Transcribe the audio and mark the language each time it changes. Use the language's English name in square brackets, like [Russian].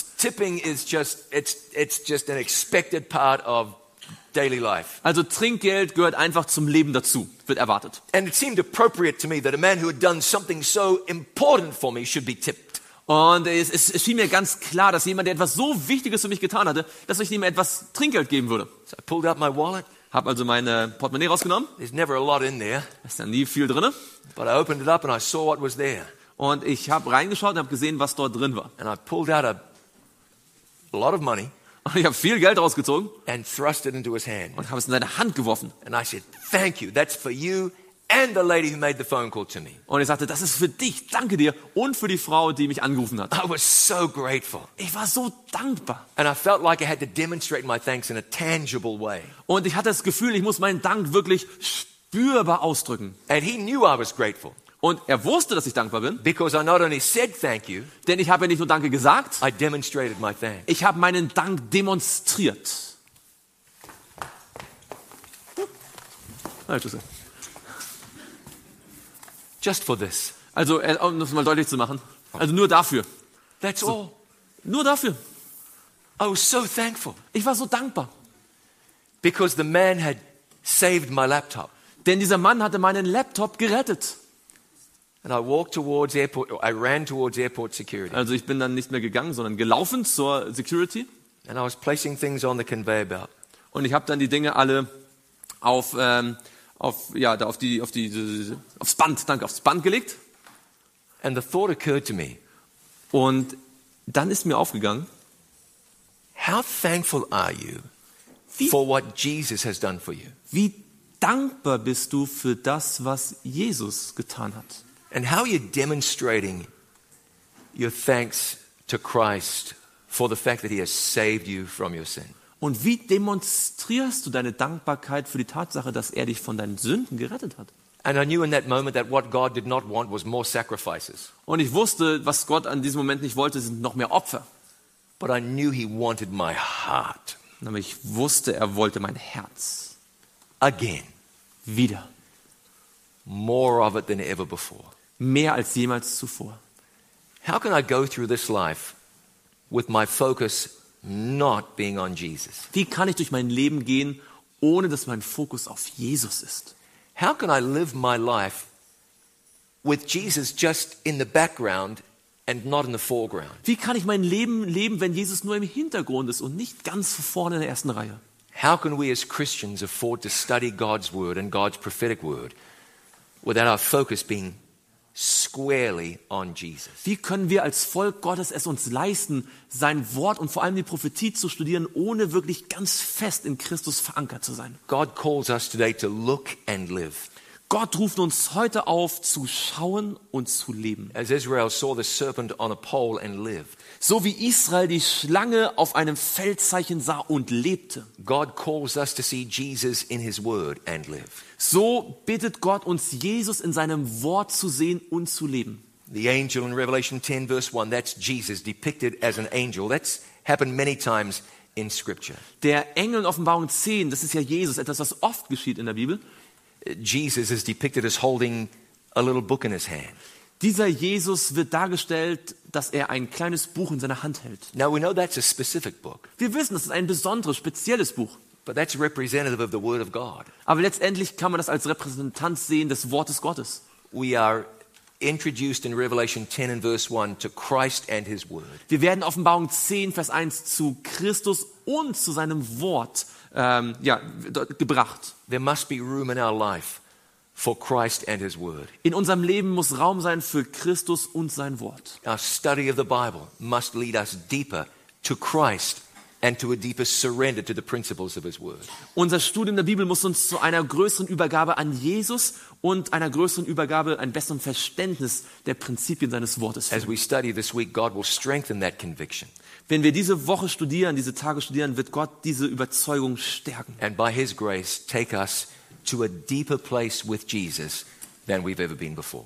[English] Tipping is just it's just an expected part of daily life. [German] Also Trinkgeld gehört einfach zum Leben dazu, wird erwartet. [English] And it seemed appropriate to me that a man who had done something so important for me should be tipped. [German] Und es schien mir ganz klar, dass jemand, der etwas so Wichtiges für mich getan hatte, dass ich ihm etwas Trinkgeld geben würde. [English] So I pulled out my wallet. [German] Hab also meine Portemonnaie rausgenommen. [English] There's never a lot in there. [German] Ist da nie viel drinne. [English] But I opened it up and I saw what was there. [German] Und ich habe reingeschaut und habe gesehen, was dort drin war. [English] And I pulled out a lot of money. [German] Und ich habe viel Geld rausgezogen. [English] And thrust it into his hand. [German] Und habe es in seine Hand geworfen. [English] And I said, "Thank you. That's for you." And the lady who made the phone call to me. [German] Und ich sagte, das ist für dich, danke dir, und für die Frau, die mich angerufen hat. [English] I was so grateful. [German] Ich war so dankbar. [English] And I felt like I had to demonstrate my thanks in a tangible way. [German] Und ich hatte das Gefühl, ich muss meinen Dank wirklich spürbar ausdrücken. [English] And he knew I was grateful. [German] Und er wusste, dass ich dankbar bin. [English] Because I not only said thank you. [German] Denn ich habe ja nicht nur danke gesagt. [English] I demonstrated my thanks. [German] Ich habe meinen Dank demonstriert. Hallo, Tschüss. [English] Just for this. [German] Also, um das mal deutlich zu machen. Also nur dafür. [English] That's all. [German] Nur dafür. [English] I was so thankful. [German] Ich war so dankbar. [English] Because the man had saved my laptop. [German] Denn dieser Mann hatte meinen Laptop gerettet. [English] And I walked towards airport. I ran towards airport security. [German] Also ich bin dann nicht mehr gegangen, sondern gelaufen zur Security. [English] And I was placing things on the conveyor belt. [German] Und ich habe dann die Dinge alle aufs Band gelegt. [English] And the thought occurred to me. [German] Und dann ist mir aufgegangen. [English] How thankful are you for what Jesus has done for you? [German] Wie dankbar bist du für das, was Jesus getan hat? [English] And how are you demonstrating your thanks to Christ for the fact that he has saved you from your sin? [German] Und wie demonstrierst du deine Dankbarkeit für die Tatsache, dass er dich von deinen Sünden gerettet hat? [English] And I knew in that moment that what God did not want was more sacrifices. [German] Und ich wusste, was Gott an diesem Moment nicht wollte, sind noch mehr Opfer. [English] But I knew he wanted my heart. [German] Aber ich wusste, er wollte mein Herz. [English] Again. [German] Wieder. [English] More of it than ever before. [German] Mehr als jemals zuvor. [English] How can I go through this life with my focus not being on Jesus? [German] Wie kann ich durch mein Leben gehen, ohne dass mein Fokus auf Jesus ist? [English] How can I live my life with Jesus just in the background and not in the foreground? [German] Wie kann ich mein Leben leben, wenn Jesus nur im Hintergrund ist und nicht ganz vorne in der ersten Reihe? [English] How can we as Christians afford to study God's word and God's prophetic word without our focus being squarely on Jesus? [German] Wie können wir als Volk Gottes es uns leisten, sein Wort und vor allem die Prophetie zu studieren, ohne wirklich ganz fest in Christus verankert zu sein? [English] God calls us today to look and live. [German] Gott ruft uns heute auf, zu schauen und zu leben. [English] As Israel saw the serpent on a pole and lived. [German] So wie Israel die Schlange auf einem Feldzeichen sah und lebte. [English] God calls us to see Jesus in his word and live. [German] So bittet Gott uns, Jesus in seinem Wort zu sehen und zu leben. [English] The angel in Revelation 10 verse 1, that's Jesus depicted as an angel. That's happened many times in scripture. [German] Der Engel in Offenbarung 10, das ist ja Jesus, etwas, was oft geschieht in der Bibel. [English] Jesus is depicted as holding a little book in his hand. [German] Dieser Jesus wird dargestellt dass er ein kleines Buch in seiner Hand hält. [English] Now we know that's a specific book. [German] Wir wissen, das ist ein besonderes, spezielles Buch. [English] But that's representative of the word of God. [German] Aber letztendlich kann man das als Repräsentanz sehen des Wortes Gottes. [English] We are introduced in Revelation 10 and verse 1 to Christ and his word. [German] Wir werden Offenbarung 10 Vers 1 zu Christus und zu seinem Wort gebracht. [English] There must be room in our life for Christ and his word. [German] In unserem Leben muss Raum sein für Christus und sein Wort. [English] Our study of the Bible must lead us deeper to Christ and to a deeper surrender to the principles of his word. [German] Unser Studium der Bibel muss uns zu einer größeren Übergabe an Jesus und einer größeren Übergabe, ein besseres Verständnis der Prinzipien seines Wortes führen. [English] As we study this week, God will strengthen that conviction. [German] Wenn wir diese Woche studieren, diese Tage studieren, wird Gott diese Überzeugung stärken. [English] And by his grace take us to a deeper place with Jesus than we've ever been before.